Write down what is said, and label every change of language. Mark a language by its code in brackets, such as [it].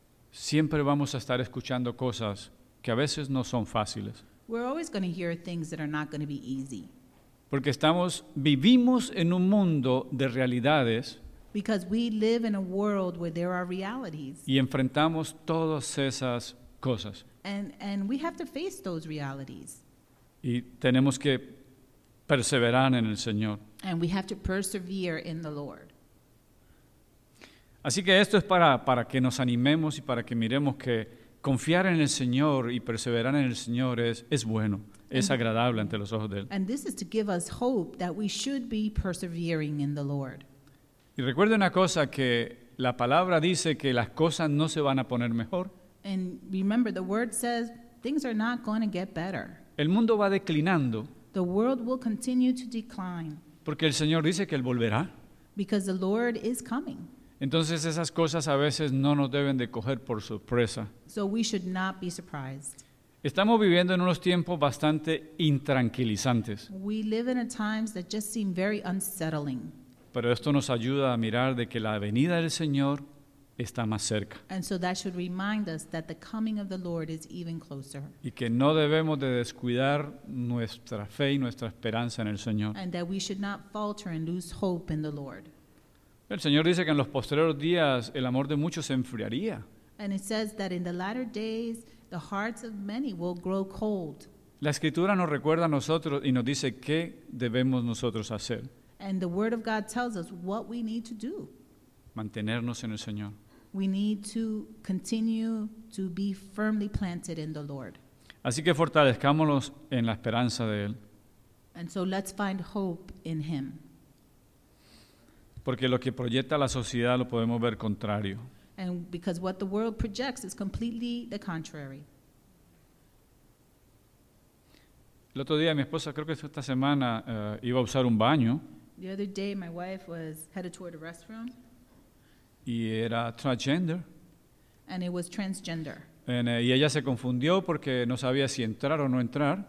[es] siempre vamos a estar escuchando cosas que a veces no son fáciles. [en] We're always going to hear things that are not going to be easy. [es] Porque vivimos en un mundo de realidades. [en] Because we live in a world where there are realities. [es] Y enfrentamos todas esas cosas. [en] And we have to face those realities. [es] Y tenemos que perseverar en el Señor. [en] And we have to persevere in the Lord. [es] Así que esto es para que nos animemos y para que miremos que confiar en el Señor y perseverar en el Señor es bueno, es agradable ante los ojos de Él. [en] And this is to give us hope that we should be persevering in the Lord. [es] Y recuerde una cosa, que la palabra dice que las cosas no se van a poner mejor. [en] And remember, the word says things are not going to get better. [es] El mundo va declinando. [en] The world will continue to decline. [es] Porque el Señor dice que Él volverá. [en] Because the Lord is coming. [es] Entonces esas cosas a veces no nos deben de coger por sorpresa. [en] So we should not be surprised. [es] Estamos viviendo en unos tiempos bastante intranquilizantes. [en] We live in a times that just seem very unsettling. [es] Pero esto nos ayuda a mirar de que la venida del Señor está más cerca. [en] And so that should remind us that the coming of the Lord is even closer. [es] Y que no debemos de descuidar nuestra fe y nuestra esperanza en el Señor. [en] And that we should not falter and lose hope in the Lord. [es] El Señor dice que en los postreros días el amor de muchos se enfriaría. [en] And it says that in the latter days the hearts of many will grow cold. [es] La Escritura nos recuerda a nosotros y nos dice qué debemos nosotros hacer. [en] And the Word of God tells us what we need to do. [es] Mantenernos en el Señor. [en] We need to continue to be firmly planted in the Lord. [es] Así que fortalezcámonos en la esperanza de Él. [en] And so let's find hope in Him. [es] Porque lo que proyecta la sociedad lo podemos ver contrario. [en] And because what the world projects is completely the contrary. [es] El otro día mi esposa, creo que esta semana, iba a usar un baño. [en] The other day my wife was headed toward a restroom. [es] Y era transgender. [en] And it was transgender. [es] Y ella se confundió porque no sabía si entrar o no entrar.